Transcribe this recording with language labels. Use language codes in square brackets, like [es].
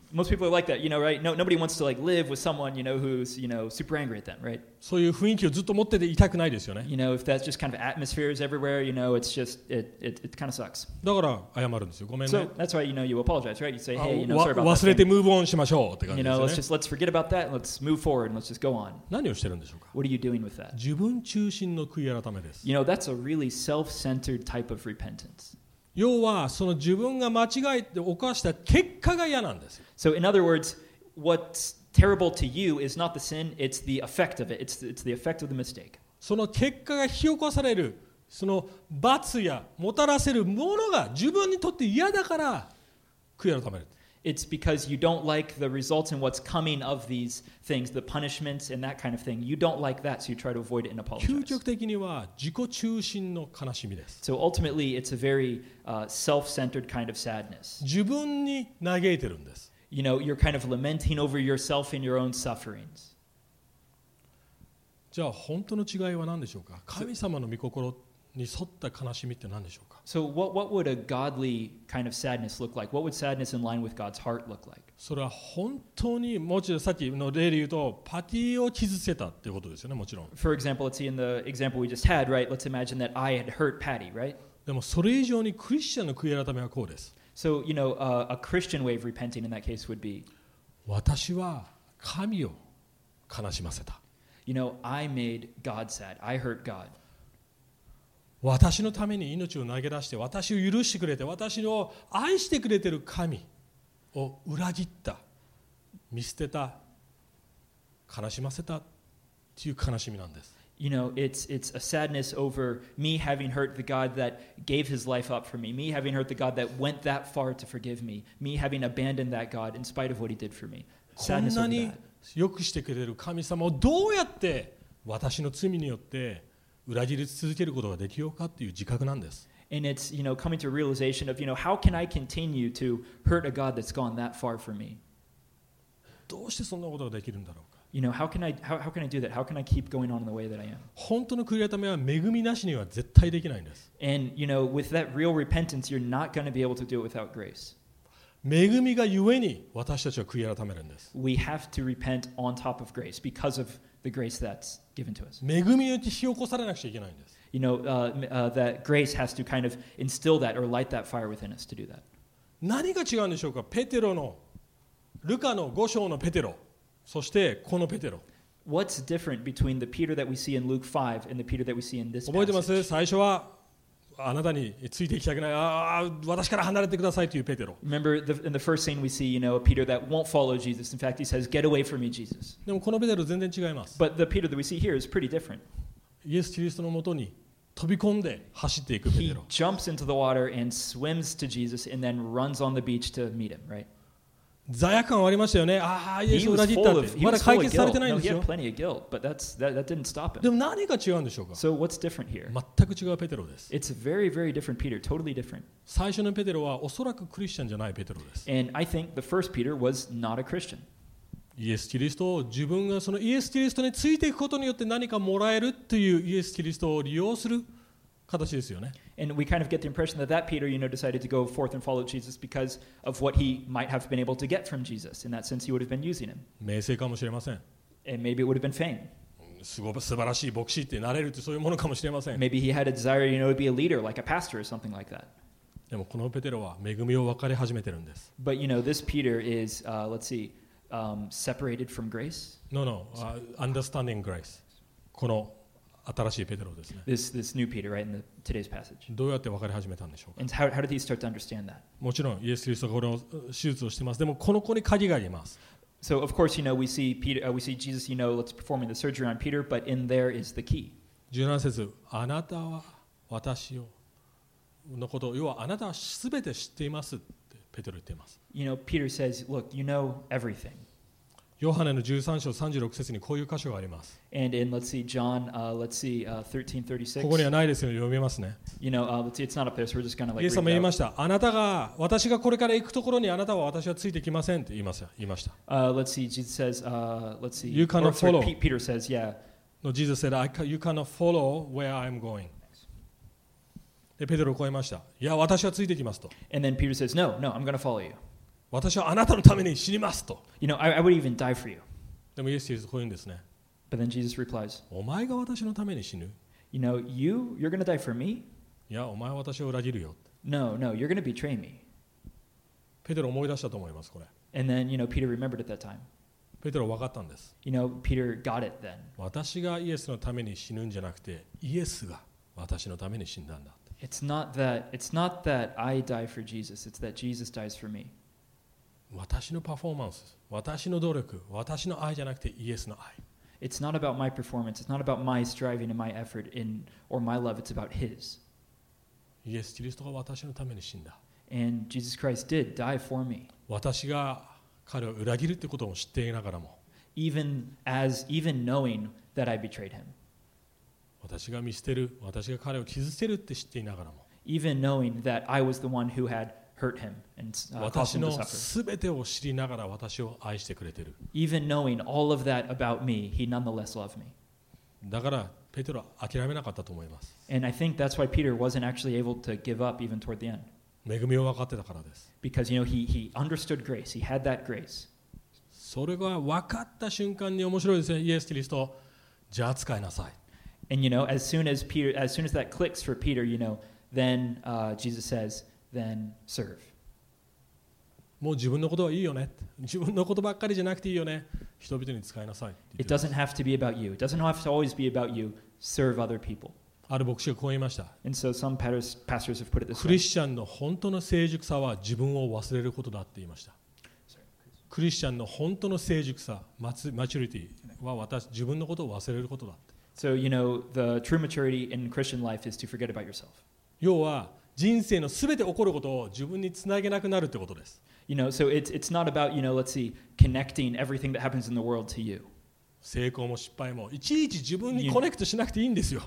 [en] Most people are like that, you know, right? No, nobody wants to like live with someone, you know, who's, you know, super angry at them, right? [ja] そういう雰囲気をずっと持ってていたくないですよね。 [en] You know, if that's just kind of atmospheres everywhere, you know, it's just, it kind of sucks. [ja] だから謝るんですよ。ごめんね。 [en] So that's why, you know, you apologize, right? You say, hey, you know, sorry about that. [ja] 忘れてムーブオンしましょうって感じですね。 [en] You know, let's forget about that and let's move forward and let's just go on. [ja] 何をしてるんでしょうか? [en] What are you doing with that? [ja] 自分中心の悔い改めです。 [en] You know, that's a really self-centered type of repentance. [ja] 要はその自分が間違えて犯した結果が嫌なんです。 [en] So in other words, what's terrible to you is not the sin, it's the effect of it. It's the effect of the mistake. [ja] その結果が引き起こされるその罰やもたらせるものが自分にとって嫌だから悔い改める。 [en] It's because you don't like the results and what's coming of these things, the punishments and that kind of thing. You don't like that, so you try to avoid it and apologize. [ja] 究極的には自己中心の悲しみです。 [en] So ultimately, it's a very self-centered kind of sadness. [ja] 自分に嘆いてるんです。 [en] You know, you're kind of lamenting over yourself and your own sufferings. [ja] じゃあ本当の違いは何でしょうか?神様の御心に沿った悲しみって何でしょうか? [en] So what would a godly kind of sadness look like? What would sadness in line with God's heart look like? [ja] それは本当にもちろんさっきの例で言うとパティを傷つけたっていうことですよね、もちろん。 [en] For example, let's see in the example we just had, right? Let's imagine that I had hurt Patty, right? [ja] でもそれ以上にクリスチャンの悔い改めはこうです。 [en] So, you know, a Christian way of repenting in that case would be [ja] 私は神を悲しませた。 [en] You know, I made God sad. I hurt God. [ja] 私のために命を投げ出して私を許してくれて私を愛してくれてる神を裏切った見捨てた悲しませたっていう悲しみなんです。 [en] You know, it's a sadness over me having hurt the God that gave his life up for me, me having hurt the God that went that far to forgive me, me having abandoned that God in spite of what he did for me. Sadness over that. [ja] こんなによくしてくれる神様をどうやって私の罪によって裏切り続けることができようかっていう自覚なんです。 [en] And it's, you know, coming to a realization of, you know, how can I continue to hurt a God that's gone that far from me? [ja] どうしてそんなことができるんだろうか? [en] You know, how can I do that? How can I keep going on in the way that I am? [ja] 本当の悔い改めは恵みなしには絶対できないんです。 [en] And, you know, with that real repentance, you're not going to be able to do it without grace. [ja] 恵みがゆえに私たちは悔い改めるんです。 [en] We have to repent on top of grace because of the grace that's given to us. [ja] 恵みによって火を起こされなくちゃいけないんです。 [en] You know, that grace has to kind of instill that or light that fire within us to do that. [ja] 何が違うんでしょうか?ペテロの、ルカの5章のペテロ、そしてこのペテロ。 [en] What's different between the Peter that we see in Luke 5 and the Peter that we see in this passage? [ja] 覚えてます? 最初は、あなたについていきたくない、ああ、私から離れてくださいというペテロ。 [en] Remember, in the first scene we see, you know, a Peter that won't follow Jesus. In fact, he says, get away from me, Jesus. [ja] でもこのペテロ全然違います。 [en] But the Peter that we see here is pretty different. [ja] イエス・キリストのもとに飛び込んで走っていくペテロ。 [en] He jumps into the water and swims to Jesus and then runs on the beach to meet him, right? [ja] 罪悪感はありましたよね。ああ、イエス裏切ったって。まだ解決されてないんですよ。 [en] No, he had plenty of guilt, but that didn't stop him. [ja] でも何が違うんでしょうか? [en] So what's different here? [ja] 全く違うペテロです。 [en] It's a very, very different Peter, totally different. [ja] 最初のペテロはおそらくクリスチャンじゃないペテロです。 [en] And I think the first Peter was not a Christian. [ja] イエス・キリストを自分がそのイエス・キリストについていくことによって何かもらえるというイエス・キリストを利用する形ですよね。 [en] And we kind of get the impression that Peter, you know, decided to go forth and follow Jesus because of what he might have been able to get from Jesus. In that sense, he would have been using him. [ja] 名声かもしれません。 [en] And maybe it would have been fame. [ja] すごく素晴らしい牧師ってなれるってそういうものかもしれません。 [en] Maybe he had a desire, you know, to be a leader, like a pastor or something like that. [ja] でもこのペテロは恵みを分かり始めてるんです。 [en] But, you know, this Peter is, separated from grace? No, understanding grace. [ja] この新しいペテロですね。 [en] This new Peter, right, in the, today's passage. [ja] どうやって分かり始めたんでしょうか。 [en] And how did he start to understand that? [ja] もちろんイエス・キリストがこれを手術をしてます。でもこの子に鍵があります。 [en] So of course, you know, we see Peter, we see Jesus, you know, let's performing the surgery on Peter, but in there is the key. [ja] 17節、あなたは私をのこと、要はあなたはすべて知っていますってペテロ言っています。 [en] You know, Peter says, look, you know everything. [ja] ヨハネの13章36節にこういう箇所があります。 [en] And in, let's see, John, let's see, 1336. [ja] ここにはないですけど、読みますね。 [en] You know, let's see, it's not up there, so we're just gonna, like, [ja] イエス様言いました。あなたが、私がこれから行くところにあなたは私はついてきませんって言いました。 [en] Let's see, Jesus says, let's see, you cannot follow. Peter says, yeah. No, Jesus said, you cannot follow where I'm going. [ja] で、ペテロを超えました。いや、私はついてきますと。 [en] And then Peter says, no, I'm gonna follow you. [ja] 私はあなたのために死にますと。 [en] You know, I would even die for you. [ja] でもイエス・キリストはこう言うんですね。 [en] But then Jesus replies, [ja] お前が私のために死ぬ。 [en] You know, you're going to die for me? [ja] いや、お前は私を裏切るよ。 [en] No, you're going to betray me. [ja] ペテロ思い出したと思います、これ。 [en] And then, you know, Peter remembered at that time. [ja] ペテロ分かったんです。 [en] You know, Peter got it then. [ja] 私がイエスのために死ぬんじゃなくて、イエスが私のために死んだんだ。 [en] It's not that I die for Jesus, it's that Jesus dies for me. [ja] 私のパフォーマンス、私の努力、私の愛じゃなくてイエスの愛。 [en] It's not about my performance, it's not about my striving and my effort in or my love, it's about his. [ja] イエス・キリストが私のために死んだ。 [en] And Jesus Christ did die for me. [ja] 私が彼を裏切るってことを知っていながらも。 [en] Even knowing that I betrayed him. [ja] 私が見捨てる、私が彼を傷つけるって知っていながらも。 [en] Even knowing that I was the one who had. Hurt him and, [ja] 私のすべてを知りながら私を愛してくれてる。 [en] Even knowing all of that about me, he nonetheless loved me. [ja] だからペテロは諦めなかったと思います。 [en] And I think that's why Peter wasn't actually able to give up even toward the end. [ja] 恵みを分かってたからです。 [en] Because you know he understood grace. He had that grace. [ja] それが分かった瞬間に面白いですね。イエス・キリスト、じゃあ使いなさい。 [en] And you know as soon as that clicks for Peter, you know then Jesus says. Then serve. [ja] もう自分のことはいいよね。自分のことばっかりじゃなくていいよね。人々に使いなさい。 [en] It doesn't have to be about you. It doesn't have to always be about you. Serve other people. [ja] ある牧師がこう言いました。 [en] And so some pastors have put it this way. [ja] クリスチャンの本当の成熟さは自分を忘れることだって言いました。クリスチャンの本当の成熟さ、maturity は私、自分のことを忘れることだって。 [en] So you know, the true maturity in Christian life is to forget about yourself. [ja] 要は人生のすべて起こることを自分につなげなくなるってことです。 [en] You know, so it's not about, you know, let's see, connecting everything that happens in the world to you. [ja] 成功も失敗もいちいち自分にコネクトしなくていいんですよ。